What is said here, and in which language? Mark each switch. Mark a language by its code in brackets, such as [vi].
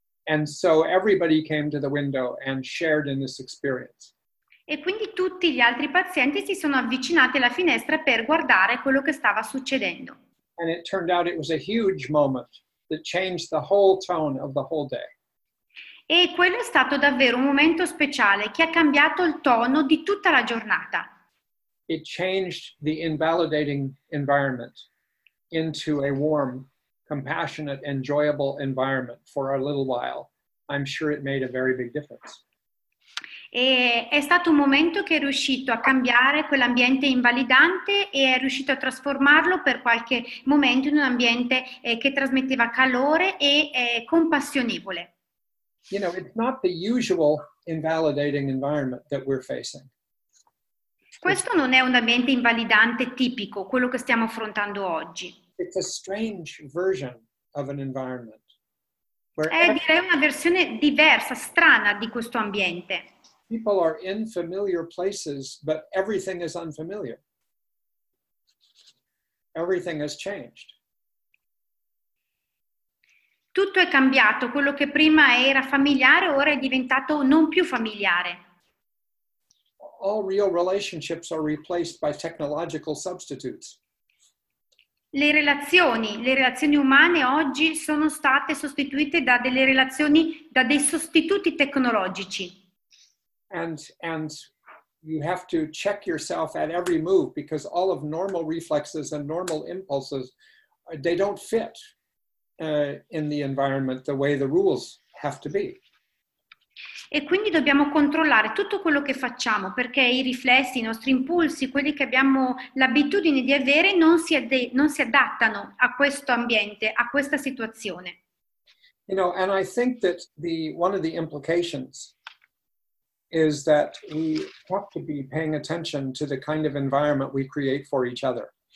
[en] And so everybody came to the window and shared in this experience. [it] E quindi tutti gli altri pazienti si sono avvicinati alla finestra per guardare quello che stava succedendo. [en] And it turned out it was a huge moment that changed the whole tone of the whole day. [it] E quello è stato davvero un momento speciale che ha cambiato il tono di tutta la giornata. [en] It changed the invalidating environment into a warm, compassionate, enjoyable environment for a little while. I'm sure it made a very big difference. [it] E è stato un momento che è riuscito a cambiare quell'ambiente invalidante e è riuscito a trasformarlo per qualche momento in un ambiente che trasmetteva calore e compassionevole. [en] You know, it's not the usual invalidating environment that we're facing. [it] Questo non è un ambiente invalidante tipico, quello che stiamo affrontando oggi. [en] It's a strange version of an environment. [it] Direi una versione diversa, strana di questo ambiente. [en] People are in familiar places, but everything is unfamiliar. Everything has changed. [it] Tutto è cambiato. Quello che prima era familiare ora è diventato non più familiare. [en] All real relationships are replaced by technological substitutes. [it] Le relazioni umane oggi sono state sostituite da delle relazioni, da dei sostituti tecnologici. [en] And you have to check yourself at every move because all of normal reflexes and normal impulses, they don't fit in the environment the way the rules have to be. [it] E quindi dobbiamo controllare tutto quello che facciamo perché i riflessi, i nostri impulsi, quelli che abbiamo l'abitudine di avere non si adattano a questo ambiente, a questa situazione. [en] You know, and I think that one of the implications is that we have to be paying attention to the kind of environment we create for each other.